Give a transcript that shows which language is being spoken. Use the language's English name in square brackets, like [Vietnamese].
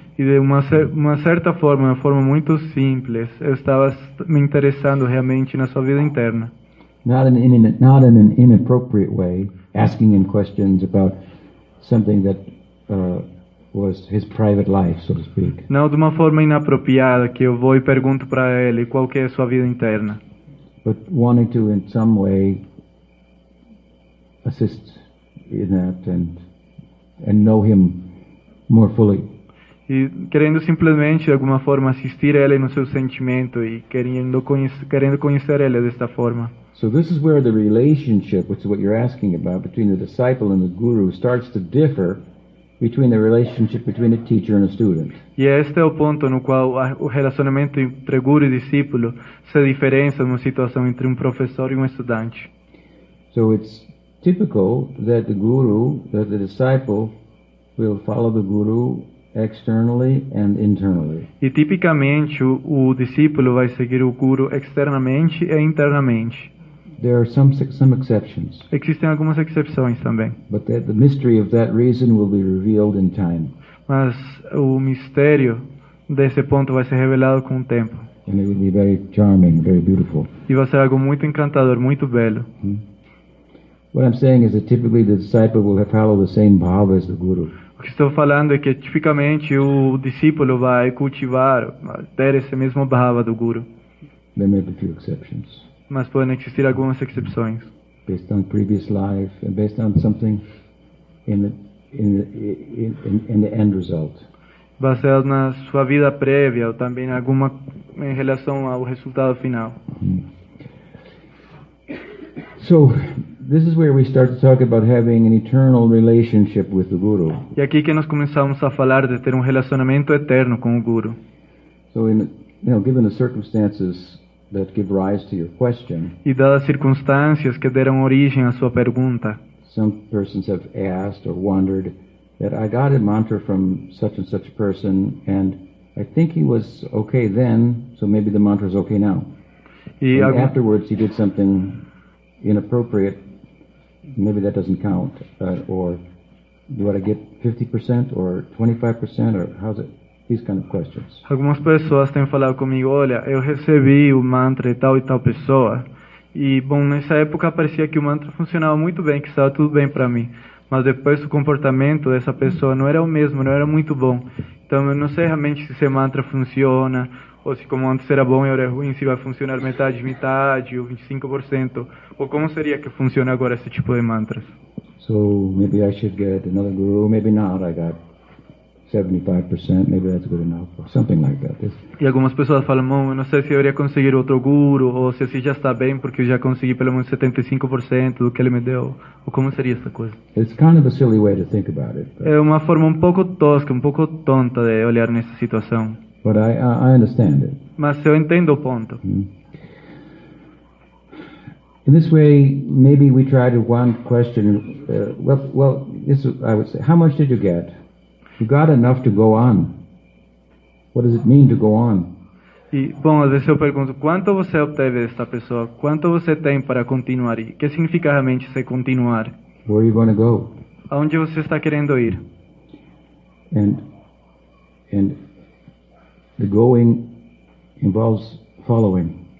[Portuguese] E de uma certa forma, uma forma muito simples, eu estava me interessando realmente na sua vida interna. [English] Not in an inappropriate way, asking him questions about something that was his private life, so to speak. [Portuguese] Não de uma forma inapropriada que eu vou e pergunto para ele qual que é a sua vida interna. [English] But wanting to in some way assist in that and know him more fully. [Portuguese] E querendo simplesmente de alguma forma assistir ele no seu sentimento e querendo conhecer ele desta forma. [English] So this is where the relationship, which is what you're asking about, between the disciple and the guru starts to differ between the relationship between a teacher and a student. [Portuguese] E este é o ponto no qual o relacionamento entre guru e discípulo se diferencia numa situação entre professor e estudante. [English] So it's typical that the guru, that the disciple, will follow the guru externally and internally. [Portuguese] E tipicamente o discípulo vai seguir o guru externamente e internamente. [English] There are some exceptions. [Portuguese] Existem algumas exceções também. [English] But the mystery of that reason will be revealed in time. [Portuguese] Mas o mistério desse ponto vai ser revelado com o tempo. [English] And it will be very charming, very beautiful. [Portuguese] E vai ser algo muito encantador, muito belo. [English] What I'm saying is that typically the disciple will follow the same bhava as the guru. [Portuguese] O que estou falando é que tipicamente o discípulo vai cultivar, vai ter esse mesmo bhava do guru. [English] There may be few exceptions. [Portuguese] Mas podem existir algumas exceções. [English] Based on previous life and based on something in the end result. [Portuguese] Baseado na sua vida prévia ou também alguma em relação ao resultado final. [English] So this is where we start to talk about having an eternal relationship with the guru. [Portuguese] E aqui que nós começamos a falar de ter relacionamento eterno com o guru. [English] So in, you know, given the circumstances that give rise to your question. [Portuguese] E dadas circunstâncias que deram origem à sua pergunta. [English] Some persons have asked or wondered that I got a mantra from such and such a person and I think he was okay then, so maybe the mantra is okay now. Afterwards he did something inappropriate, maybe that doesn't count. Or do I get 50% or 25% or how's it? These kind of questions. [Portuguese] Algumas pessoas têm falado comigo, olha, eu recebi o mantra e tal pessoa. E, bom, nessa época parecia que o mantra funcionava muito bem, que estava tudo bem para mim. Mas depois o comportamento dessa pessoa não era o mesmo, não era muito bom. Então eu não sei realmente se esse mantra funciona, ou se como antes era bom e agora é ruim, se vai funcionar metade, metade, ou 25%. Ou como seria que funciona agora esse tipo de mantras? [English] So, maybe I should get another guru, maybe not, I got 75%, maybe that's good enough, or something like that. [Portuguese] E algumas pessoas falam, eu não sei se eu deveria conseguir outro guru, ou se assim já está bem, porque eu já consegui pelo menos 75% do que ele me deu. Ou como seria essa coisa? [English] It's kind of a silly way to think about it. [Portuguese] É uma forma um pouco tosca, um pouco tonta de olhar nessa situação. [English] But I understand it. [Portuguese] Mas eu entendo o ponto. [English] In this way, maybe we try to one question, well, this I would say, how much did you get? You got enough to go on. What does it mean to go on? [Portuguese] E, bom, às vezes eu pergunto, quanto você obteve desta pessoa? Quanto você tem para continuar? E que significa realmente se continuar? [English] Where are you going to go? [Portuguese] Aonde você está querendo ir? [English] And the going involves following.